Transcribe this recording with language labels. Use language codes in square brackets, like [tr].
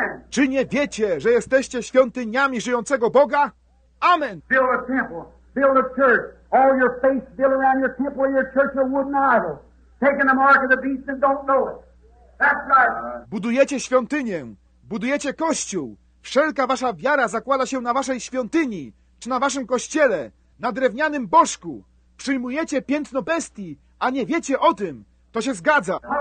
[pl] Czy nie wiecie, że jesteście świątyniami żyjącego Boga? [en] Amen. Build a temple. Build a church. All your faith built around your temple and your church are wooden idols. Taking the mark of the beast and don't know it. That's right. [pl] Budujecie świątynię, budujecie kościół. Wszelka wasza wiara zakłada się na waszej świątyni, czy na waszym kościele, na drewnianym bożku. Przyjmujecie piętno bestii, a nie wiecie o tym. To się zgadza.